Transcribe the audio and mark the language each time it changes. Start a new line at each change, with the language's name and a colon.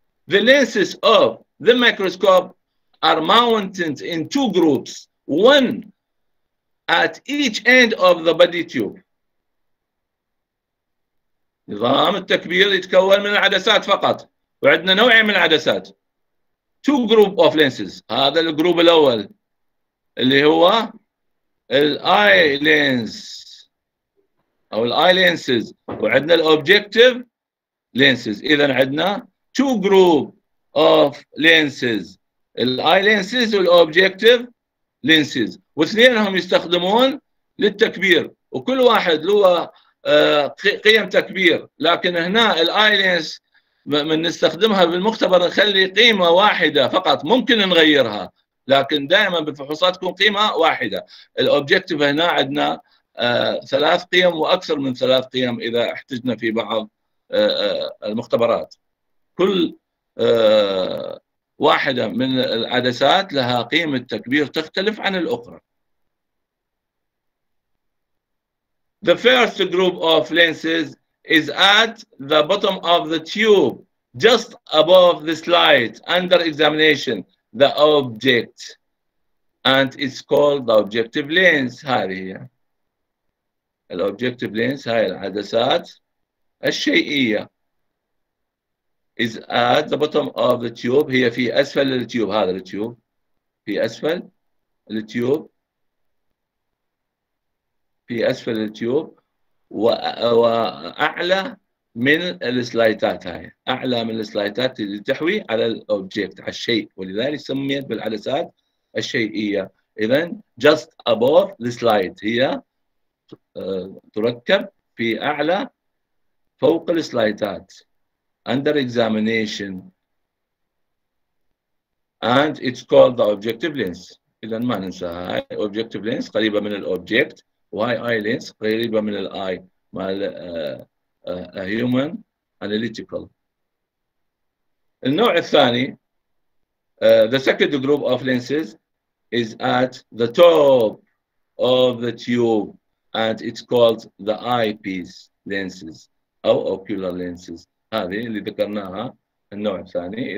English: The lenses of the microscope are mounted in two groups، one at each end of the body tube.
Arabic: نظام التكبير يتكون من العدسات فقط، وعندنا نوعين من العدسات،
English: two group of lenses.
Arabic: هذا الجروب الأول اللي هو الاي لينز أو الاي لينسز، وعندنا الأوبجكتيف لينسز. إذا عندنا
English: two group of lenses،
Arabic: الاي لينسز والأوبجكتيف لينسز، واثنينهم يستخدمون للتكبير، وكل واحد له قيم تكبير، لكن هنا الاي لينس من نستخدمها بالمختبر نخلي قيمة واحدة فقط، ممكن نغيرها لكن دائما بالفحوصات تكون قيمة واحدة. الأوبجكتيف هنا عندنا ثلاث قيم وأكثر من ثلاث قيم إذا احتجنا في بعض المختبرات. كل واحدة من العدسات لها قيمة تكبير تختلف عن الأخرى.
English: The first group of lenses is at the bottom of the tube, just above the slide, under examination, the object, and it's called the objective lens.
Arabic: هذه هي الobjective lens, هاي العدسات الشيئية.
English: Is at the bottom of the tube,
Arabic: هي في أسفل التيوب, هذا التيوب في أسفل التيوب, في أسفل التيوب وأعلى من السلايتات, هاي أعلى من السلايتات اللي تحوي على الأوبجكت, على الشيء, ولذلك سميت بالعدسات الشيئية. إذن
English: just above the slide,
Arabic: هي تركب في أعلى فوق السلايتات,
English: under examination, and it's called the objective lens.
Arabic: إذن ما ننسى هاي objective lens, قريبة من الأوبجكت, وهي eye lens, قريبة من الأي مع a human analytical. النوع الثاني,
English: the second group of lenses is at the top of the tube and it's called the eyepiece lenses أو ocular lenses.
Arabic: هذه اللي ذكرناها النوع الثاني.